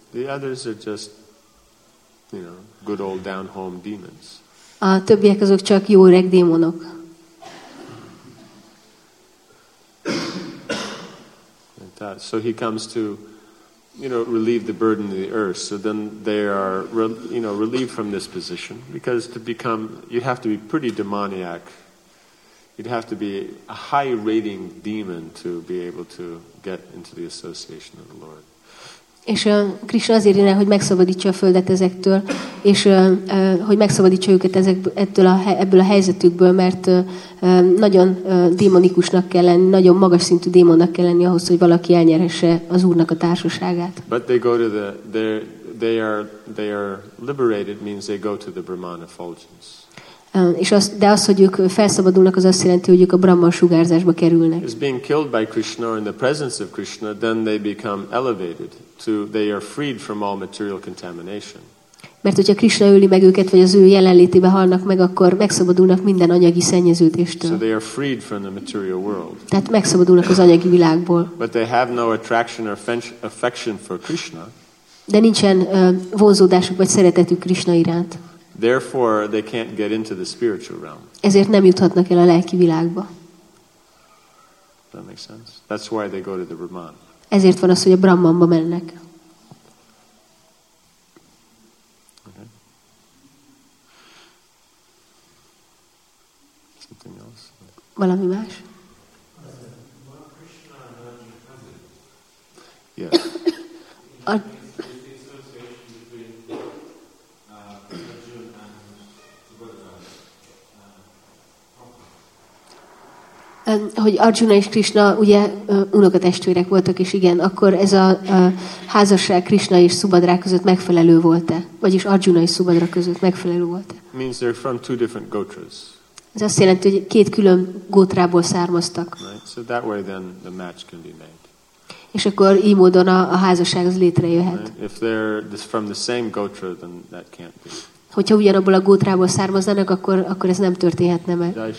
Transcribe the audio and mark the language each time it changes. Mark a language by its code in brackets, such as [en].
[en] The others are just, you know, good old down home demons. [hu] A többiek azok csak jó öreg démonok. [en] So he comes to, you know, relieve the burden of the earth. So then they are, you know, relieved from this position, because to become, you'd have to be pretty demoniac. You'd have to be a high-rating demon to be able to get into the association of the Lord. [hu] És Krishna azért jön el, hogy megszabadítsa a földet ezektől, és hogy megszabadítsa őket ebből a helyzetükből, mert nagyon démonikusnak kell lenni, nagyon magas szintű démonnak kell lenni ahhoz, hogy valaki elnyeresse az Úrnak a társaságát. [en] But they go to the they are liberated means they go to the Brahman effulgence. [hu] És az, de az, hogy ők felszabadulnak, az azt jelenti, hogy ők a Brahman sugárzásba kerülnek. [en] Is being killed by Krishna or in the presence of Krishna, then they become elevated. They are freed from all material contamination. [hu] Mert hogyha Krishna öli meg őket, vagy az ő jelenlétében halnak meg, akkor megszabadulnak minden anyagi szennyeződéstől. [en] So they are freed from the material world. [hu] Tehát megszabadulnak az anyagi világból. [en] But they have no attraction or affection for Krishna. [hu] De nincsen vonzódásuk vagy szeretetük Krishna iránt. [en] Therefore, they can't get into the spiritual realm. [hu] Ezért nem juthatnak el a lelki világba. [en] Does that make sense? That's why they go to the Brahman. [hu] Ezért van az, hogy a Brahmanba mennek. [en] Okay. Else? [hu] Valami más? [en] Yeah. [hu] Hogy Arjuna és Krishna ugye unokatestvérek voltak, és igen, akkor ez a házasság Krishna és Subhadra között megfelelő volt-e? Vagyis Arjuna és Subhadra között megfelelő volt-e? [en] Means they're from two different gotras. [hu] Ez azt jelenti, hogy két külön gótrából származtak. [en] Right. So that way then the match can be made. [hu] És akkor így módon a házasság az létrejöhet. [en] If they're from the same gotra, then that can't be. [hu] Hogyha ugyanabból a gótrából származnának, akkor ez nem történhetne meg.